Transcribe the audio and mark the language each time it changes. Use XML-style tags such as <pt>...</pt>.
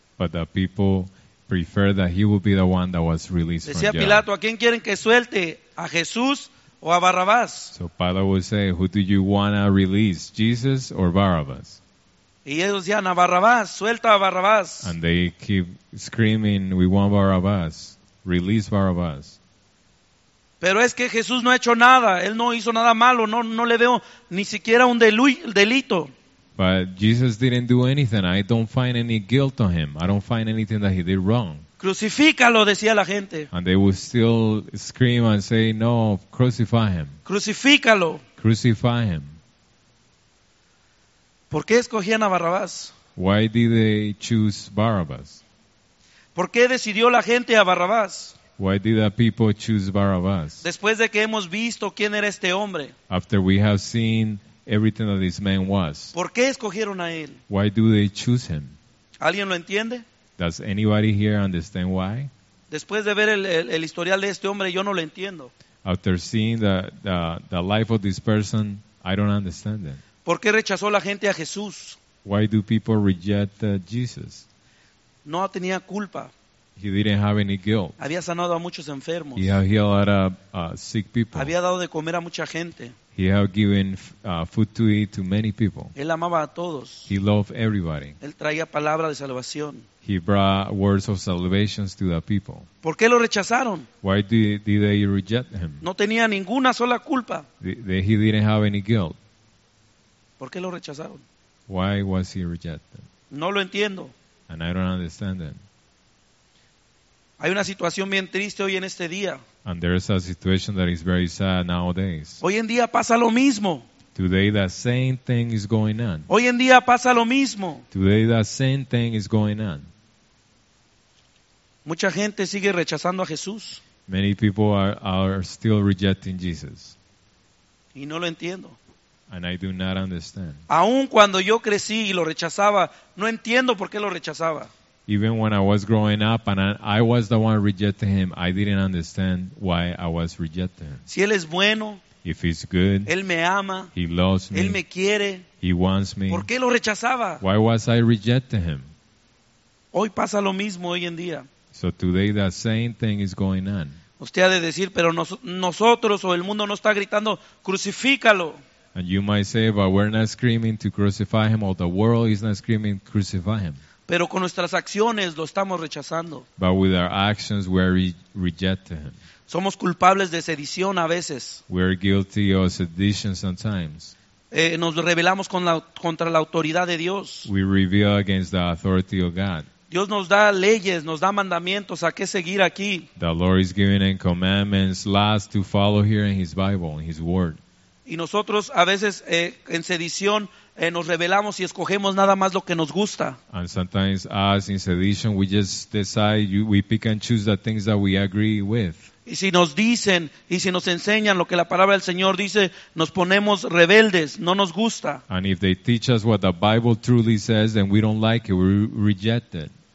<en>But the people preferred that he would be the one that was released.</en> <es>Decía Pilato, ¿a quién quieren que suelte? ¿A Jesús o a Barrabás?</es> <en>So Pilate would say, who do you want to release, Jesus or Barabbas?</en> <es>Y ellos decían, a Barrabás, suelta a Barrabás.</es> <en>And they keep screaming, we want Barabbas, release Barabbas.</en> <es>Pero es que Jesús no ha hecho nada, él no hizo nada malo, no le veo ni siquiera un delito.</es> <en>But Jesus didn't do anything. I don't find any guilt on him. I don't find anything that he did wrong.</en> <es>Crucifícalo, decía la gente.</es> <en>And they would still scream and say, no, crucify him.</en> <es>Crucifícalo.</es> <en>Crucify him.</en> <es>¿Por qué escogían a Barrabás?</es> <en>Why did they choose Barabbas?</en> <es>¿Por qué decidió la gente a Barrabás?</es> <en>Why did the people choose Barabbas?</en> <es>Después de que hemos visto quién era este hombre.</es> <en>After we have seen everything that this man was.</en> <es>¿Por qué escogieron a él?</es> <en>Why do they choose him?</en> <es>¿Alguien lo entiende?</es> <en>Does anybody here understand why?</en> <es>Después de ver el historial de este hombre, yo no lo entiendo.</es> <en>After seeing the life of this person, I don't understand it.</en> <es>¿Por qué rechazó la gente a Jesús?</es> <en>Why do people reject Jesus?</en> <es>No tenía culpa.</es> <en>He didn't have any guilt.</en> <es>Había sanado a muchos enfermos.</es> <en>He had healed a lot of sick people.</en> <es>Había dado de comer a mucha gente.</es> <en>He had given food to eat to many people.</en> <es>Él amaba a todos.</es> <en>He loved everybody.</en> <es>Él traía palabra de salvación.</es> <en>He brought words of salvation to the people.</en> <es>¿Por qué lo rechazaron?</es> <en>Why did they reject him?</en> <es>No tenía ninguna sola culpa.</es> <en>He didn't have any guilt.</en> <es>¿Por qué lo rechazaron?</es> <en>Why was he rejected?</en> <es>No lo entiendo.</es> <en>And I don't understand it.</en> <es>Hay una situación bien triste hoy en este día.</es> <en>And there is a situation that is very sad nowadays.</en> <es>Hoy en día pasa lo mismo.</es> <en>Today the same thing is going on.</en> <es>Hoy en día pasa lo mismo.</es> <en>Today the same thing is going on.</en> <es>Mucha gente sigue rechazando a Jesús.</es> <en>Many people are still rejecting Jesus.</en> <es>Y no lo entiendo.</es> <en>And I do not understand.</en> <es>Aun cuando yo crecí y lo rechazaba, no entiendo por qué lo rechazaba.</es> <en>Even when I was growing up and I was the one rejecting him, I didn't understand why I was rejecting him.</en> <es>Si él es bueno,</es> <en>if he's good,</en> <es>él me ama,</es> <en>he loves me,</en> <es>él me quiere,</es> <en>he wants me,</en> <es>¿por qué lo rechazaba?</es> <en>Why was I rejecting him?</en> <es>Hoy pasa lo mismo hoy en día.</es> <en>So today the same thing is going on.</en> <es>Usted ha de decir, pero nosotros o el mundo no está gritando, crucifícalo.</es> <en>And you might say, but we're not screaming to crucify him, or the world is not screaming, crucify him.</en> <es>Pero con nuestras acciones lo estamos rechazando.</es> <en>But with our actions we reject him.</en> <es>Somos culpables de sedición a veces.</es> <en>We are guilty of sedition sometimes.</en> <es>Nos rebelamos contra la autoridad de Dios.</es> <en>We rebel against the authority of God.</en> <es>Dios nos da leyes, nos da mandamientos a qué seguir aquí.</es> <en>The Lord is giving in commandments, laws to follow here in His Bible, in His Word.</en> <es>Y nosotros a veces en sedición nos rebelamos y escogemos nada más lo que nos gusta.</es> <en>And sometimes us in sedition we just decide, we pick and choose the things that we agree with.</en> <es>Y si nos dicen y si nos enseñan lo que la palabra del Señor dice, nos ponemos rebeldes, no nos gusta.</es> <en>And if they teach us what the Bible truly says, then we don't like it, we reject it.</en>